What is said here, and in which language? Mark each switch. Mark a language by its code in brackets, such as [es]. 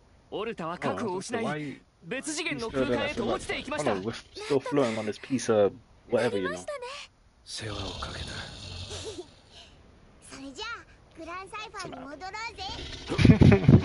[ja] オルタは核を失い、別次元の空間へと落ちていきました。 [en] We're still flowing on this piece of whatever, you know. [ja] 世話をかけた。それじゃあ、グランサイファーに戻ろうぜ。